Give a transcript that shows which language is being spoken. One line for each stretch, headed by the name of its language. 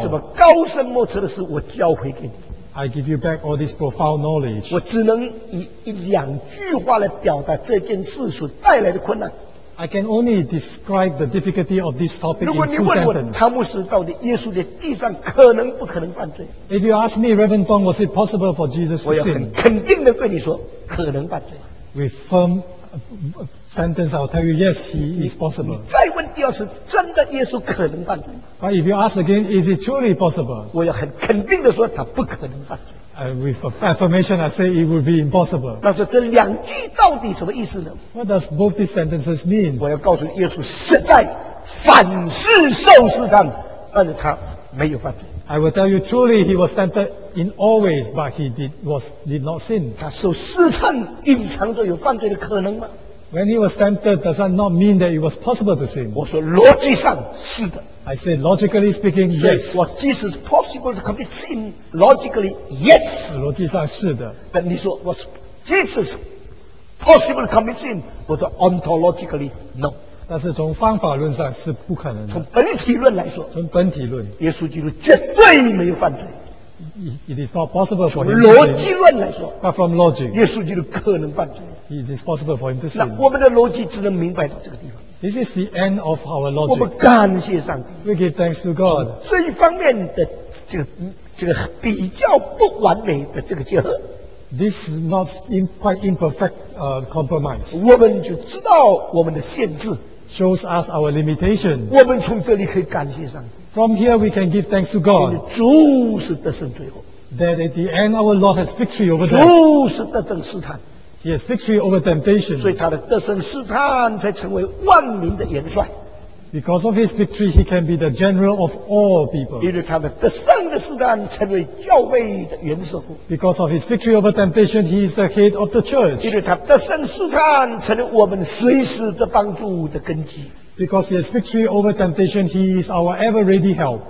Chinese: 这么高深莫测的事，我交回给你。
English: I give you back all this profound knowledge。
Chinese: 我只能以一两句话来表达这件事所带来的困难。
English: I can only describe the difficulty of this topic in two sentences.
Chinese: 如果你问我，汤姆斯到底耶稣在地上可能不可能犯罪
English: ？If you ask me, Reverend Tong, was it possible for Jesus to sin?
Chinese: 我要很肯定的对你说，可能犯罪。
English: With firm sentence, I'll tell you yes, he is possible.
Chinese: 你再问第二次，真的耶稣可能犯罪
English: ？But if you ask again, is it truly possible?
Chinese: 我要很肯定的说，他不可能犯罪。
English: With affirmation, I say it would be impossible.
Chinese: 那说这两句到底什么意思呢
English: ？What does both these sentences mean?
Chinese: 我要告诉耶稣，实在凡事受试探，但是他没有犯罪。
English: I will tell you truly, he was tempted in all ways, but he did not sin.
Chinese: 他受试探，隐藏着有犯罪的可能吗
English: ？When he was tempted, does that not mean that it was possible to sin?
Chinese: 我说逻辑上是的。
English: I say, logically speaking, yes. What Jesus possible to commit sin? Logically, yes.
Chinese: 逻辑上是的。但你说
English: what Jesus possible to commit sin? But ontologically, no.
Chinese: 但是从方法论上是不可能的。从本体论来说，从本体论，耶稣基督绝对没有犯罪。
English: It is not possible for him.
Chinese: 从逻辑论来说
English: ，but from logic,
Chinese: 耶稣基督可能犯罪。
English: It is possible for him to sin.
Chinese: 那我们的逻辑只能明白到这个地方。
English: This is the end of our logic.
Chinese: 我们感谢上帝。
English: We give thanks to God.
Chinese: 这一方面的这个比较不完美的这个结合。
English: This is not quite imperfect compromise.
Chinese: 我们就知道我们的限制。
English: Shows us our limitation.
Chinese: 我们从这里可以感谢上帝。
English: From here we can give thanks to God.
Chinese: 因为主是得胜最后。
English: That at the end our Lord has victory over death.
Chinese: 主是得胜试探。
English: He has victory over temptation.
Chinese: 所以他的得胜试探才成为万民的元帅。
English: Because of his victory, he can be the general of all people.
Chinese: 因为他的得胜的试探成为教会的元首。
English: Because of his victory over temptation, he is the head of the church.
Chinese: 因为他得胜试探成为我们随时的帮助的根基。
English: Because he has victory over temptation, he is our ever ready help.